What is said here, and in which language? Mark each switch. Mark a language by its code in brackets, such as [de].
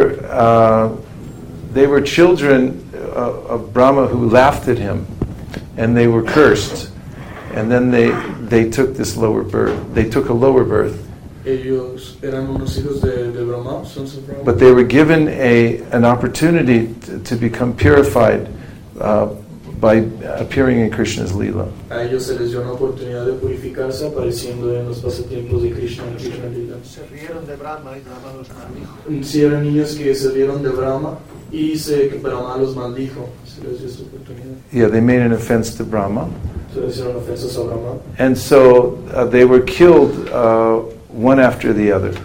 [en] They were children of Brahma who laughed at him, and they were cursed, and then they took this lower birth. They took a lower birth. [es] Ellos eran unos hijos de Brahma, [en] sons of Brahma. But they were given an opportunity to become purified by appearing in Krishna's lila. [es] A ellos se les dio una oportunidad de purificarse apareciendo en los pasatiempos de Krishna. Se rieron de Brahma y Brahma los maldijo. Sí, eran niños que se rieron de Brahma y se que Brahma los maldijo. Se les dio esta oportunidad. [en] Yeah, they made an offense to Brahma. [es] Se les hicieron ofensas a Brahma. [en] And so they were killed one after the other.